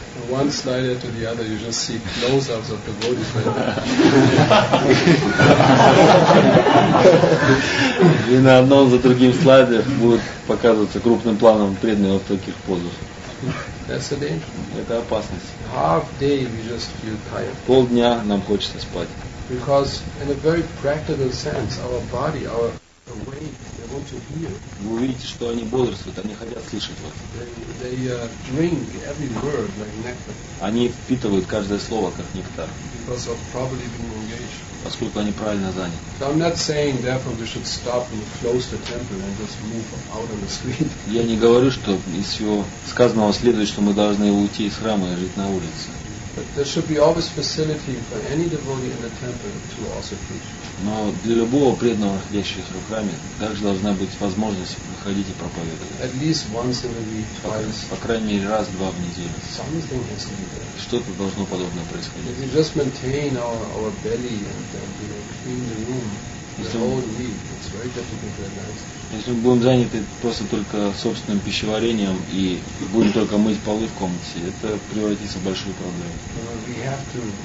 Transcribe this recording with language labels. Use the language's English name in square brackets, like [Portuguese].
[English] One slide after the other, you just see close-ups of the body. [Russian] И на одном за другим слайде будет показываться крупным планом преданный вот таких позов. [English] That's the danger. [Russian] Это опасность. [English] Half day we just feel tired. [Russian] Полдня нам хочется спать. [English] Because in a very practical sense, our body, our awake, they want to hear. [Russian] Вы увидите, что они бодрствуют, они хотят слышать вас. [English] They drink every word like nectar. [Russian] Они впитывают каждое слово как нектар. [English] Because of properly being engaged. [Russian] Поскольку они правильно заняты. [English] I'm not saying therefore we should stop and close the temple and just move out on the street. [Russian] Я не говорю, что из всего сказанного следует, что мы должны уйти из храма и жить на улице. [English] But there should be always facility for any devotee in the temple to also preach. [Russian] Но для любого преданного, находящегося в храме, также должна быть возможность выходить и проповедовать. [English] At least once in a week, twice. [Russian] По крайней мере, раз-два в неделю. Что-то должно подобное происходить. [English] If we just maintain our belly and clean the room the whole week, it's very difficult to realize. [Russian] Если мы будем заняты просто только собственным пищеварением и будем только мыть полы в комнате, это превратится в большую проблему.